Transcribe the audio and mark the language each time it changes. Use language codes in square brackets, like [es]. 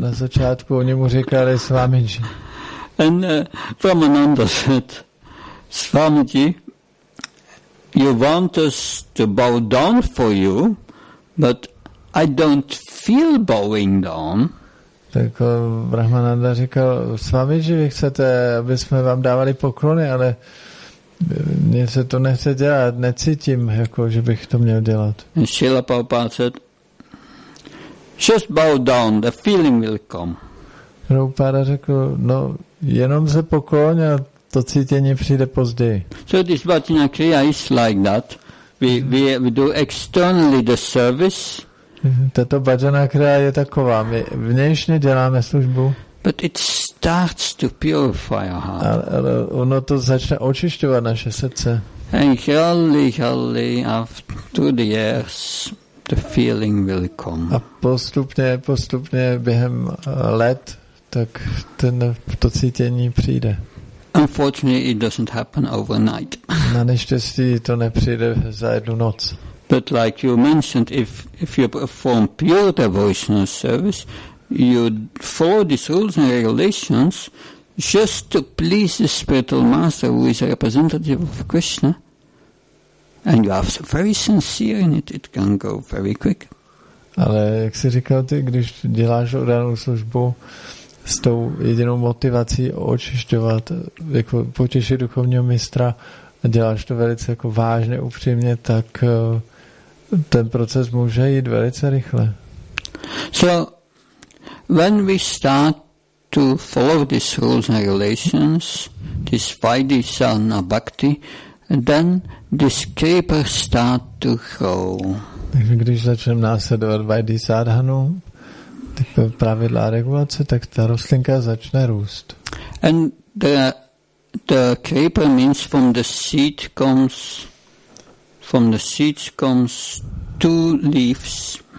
[cs] Na začátku oni mu říkali Swamiji. [en] And Brahmananda said, Swamiji, you want us to bow down for you, but I don't feel bowing down. [cs] Tak Brahmananda říkal, Swamiji, vy chcete, aby jsme vám dávali poklony, ale mně se to nechce dělat, necítím, jako, že bych to měl dělat. [en] And Srila Prabhupada said, just bow down, the feeling will come. [cs] Prabhupada řekl, no, jenom se pokloň a to cítění přijde později. [en] So this bhajana kriya is like that. We do externally the service. [cs] Tato bhajana kriya je taková. My vnějšně děláme službu. [en] But it starts to purify our heart. [cs] Ale ono to začne očišťovat naše srdce. [en] And gradually, after the years, the feeling will come. [cs] A postupně během let, tak to cítění přijde. [en] Unfortunately, it doesn't happen overnight. [cs] Na neštěstí to nepřijde za jednu noc. [en] But like you mentioned, if you perform pure devotional service, you follow these rules and regulations just to please the spiritual master who is a representative of Krishna, and you are very sincere in it, it can go very quick. [cs] Ale jak jsi říkal ty, když děláš danou službu s tou jedinou motivací očišťovat, jako potěšit duchovního mistra, a děláš to velice jako vážně, upřímně, tak ten proces může jít velice rychle. [en] So, when we start to follow these rules and regulations, this Vaidhi Sarana Bhakti, then this caper start to grow. [cs] Takže když začneme následovat Vaidhi Sarhanu, pravidla regulace, tak ta rostlinka začne růst. [en] And the caper means from the seed comes, from the seeds comes two leaves.